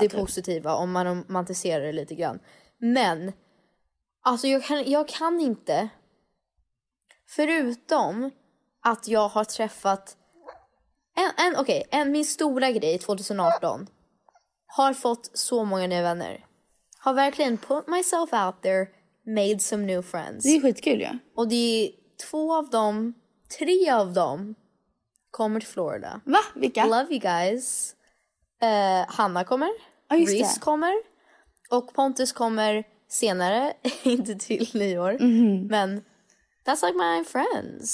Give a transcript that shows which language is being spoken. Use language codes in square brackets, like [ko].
[sv] det positiva om man romantiserar det lite grann. Men, alltså jag kan inte, förutom att jag har träffat, min stora grej 2018, har fått så många nya vänner. Har verkligen [en] put myself out there, made some new friends. [sv] Det är skitkul, ja. Och det är två av dem, tre av dem, kommer till Florida. Va? Vilka? [en] Love you guys. [sv] Hanna kommer, oh, Reese kommer och Pontus kommer senare, inte till nyår, men [en] that's like my friends.